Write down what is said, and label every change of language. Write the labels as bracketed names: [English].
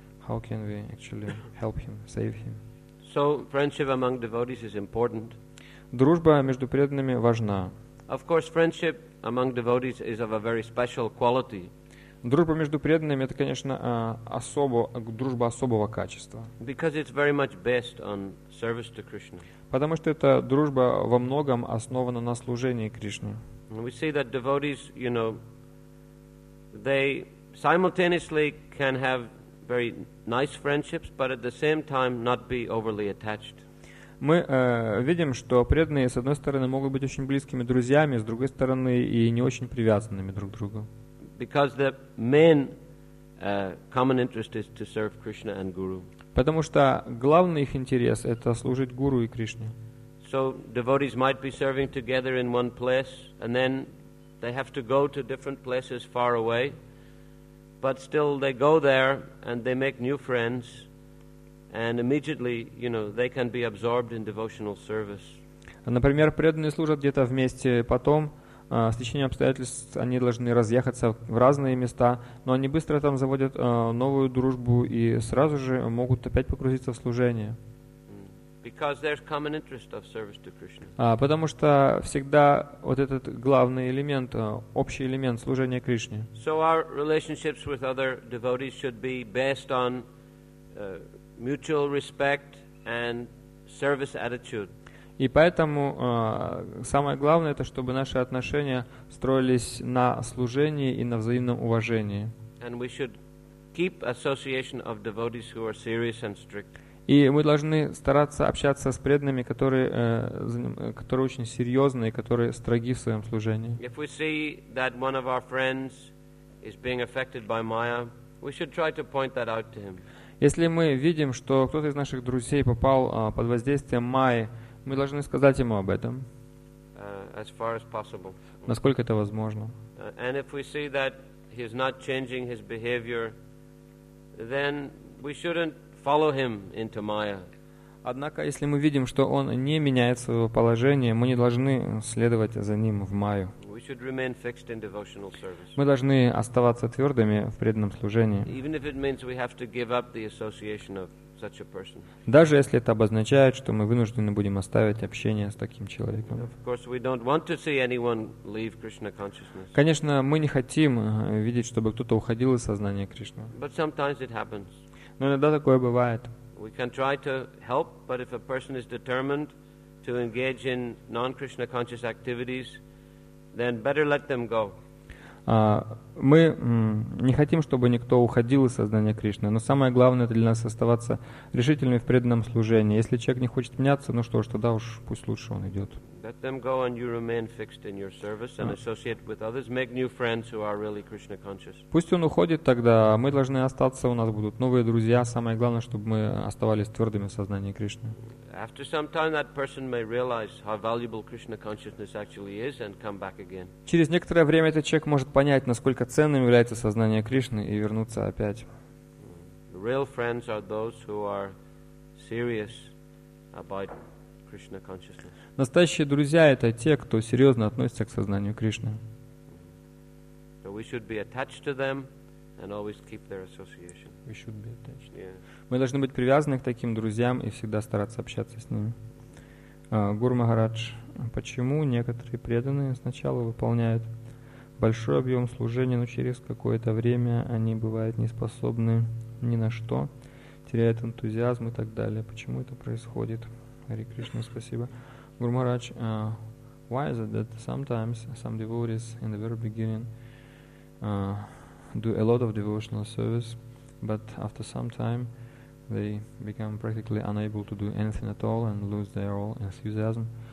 [English] How can we actually help him, save him? So friendship among devotees is important. [Russian] Дружба между преданными важна. [English] Of course, friendship among devotees is of a very special quality. [Russian] Дружба между преданными — это, конечно, дружба особого качества. [English] Because it's very much based on service to Krishna. [Russian] Потому что эта дружба во многом основана на служении Кришне. [English] We see that devotees, you know, they simultaneously can have very nice friendships, but at the same time not be overly attached. [Russian] Мы видим, что преданные с одной стороны могут быть очень близкими друзьями, с другой стороны и не очень привязанными друг к другу. [English] because the main common interest is to serve Krishna and Guru. [Russian] Потому что главный их интерес это служить Гуру и Кришне. [English] So devotees might be serving together in one place, and then they have to go to different places far away. But still, they go there and they make new friends, and immediately, you know, they can be absorbed in devotional service. [Russian] Например, преданные служат где-то вместе, потом с течением обстоятельств они должны разъехаться в разные места, но они быстро там заводят новую дружбу и сразу же могут опять погрузиться в служение. [English] Because there's common interest of service to Krishna. [Russian] Потому что всегда вот этот главный элемент, общий элемент служения Кришне. [English] So our relationships with other devotees should be based on mutual respect and service attitude. [Russian] И поэтому самое главное это чтобы наши отношения строились на служении и на взаимном уважении. [English] And we should keep association of devotees who are serious and strict. [Russian] И мы должны стараться общаться с преданными, которые очень серьезные, которые строги в своем служении. [English] If we see that one of our friends is being affected by Maya, we should try to point that out to him. [Russian] Если мы видим, что кто-то из наших друзей попал под воздействием Майи, мы должны сказать ему об этом. [English] As far as possible. [Russian] Насколько это возможно. [English] And if we see that he is not changing his behavior, then we shouldn't follow him into Maya. [Russian] Однако, если мы видим, что он не меняет своего положения, мы не должны следовать за ним в Майю. [English] We should remain fixed in devotional service. [Russian] Мы должны оставаться твердыми в преданном служении. [English] Even if it means we have to give up the association of such a person. [Russian] Даже если это обозначает, что мы вынуждены будем оставить общение с таким человеком. [English] Of course, we don't want to see anyone leave Krishna consciousness. [Russian] Конечно, мы не хотим видеть, чтобы кто-то уходил из сознания Кришны. [English] But sometimes it happens. [Russian] Но иногда такое бывает. [English] We can try to help, but if a person is determined to engage in non-Krishna conscious activities, then better let them go. [Russian] Мы не хотим, чтобы никто уходил из сознания Кришны, но самое главное для нас оставаться решительными в преданном служении. Если человек не хочет меняться, ну что ж, тогда уж пусть лучше он идет. [English] Let them go and you remain fixed in your service and associate with others. Make new friends who are really Krishna conscious. [Russian] Пусть он уходит тогда, мы должны остаться, у нас будут новые друзья. Самое главное, чтобы мы оставались твердыми в сознании Кришны. [English] After some time, that person may realize how valuable Krishna consciousness actually is and come back again. [Russian] Через некоторое время этот человек может понять, насколько ценным является сознание Кришны и вернуться опять. [English] Real friends are those who are serious about Krishna consciousness. [Russian] Настоящие друзья — это те, кто серьезно относится к сознанию Кришны. [English] So we should be attached to them and always keep their association. We should be attached. Yeah. [Russian] Мы должны быть привязаны к таким друзьям и всегда стараться общаться с ними. Гуру Махарадж, почему некоторые преданные сначала выполняют большой объем служения, но через какое-то время они бывают не способны ни на что, теряют энтузиазм и так далее? Почему это происходит? Хари Кришна, спасибо. [English] Гуру Махарадж, why is it that sometimes some devotees in the very beginning do a lot of devotional service, but after some time they become practically unable to do anything at all and lose their all enthusiasm?